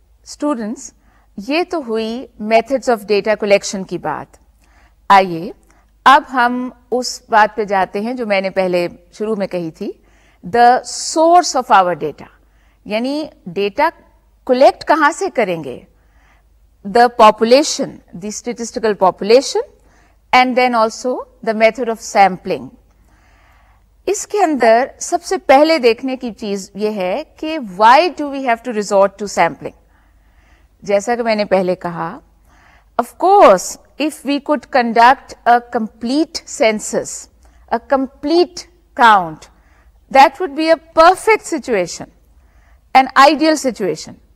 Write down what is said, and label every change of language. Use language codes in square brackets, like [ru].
[ur] Students, یہ تو ہوئی میتھڈز آف ڈیٹا کلیکشن کی بات. آئیے اب ہم اس بات پہ جاتے ہیں جو میں نے پہلے شروع میں کہی تھی, [en] the source of our data, [ur] یعنی ڈیٹا کلیکٹ کہاں سے کریں گے. [en] The population, the statistical population, and then also the method of sampling. [ur] اس کے اندر سب سے پہلے دیکھنے کی چیز یہ ہے کہ [en] Why do we have to resort to sampling. [ur] جیسا کہ میں نے پہلے کہا, [en] Of course if we could conduct a complete census, a complete count, that would be a perfect situation, an ideal situation.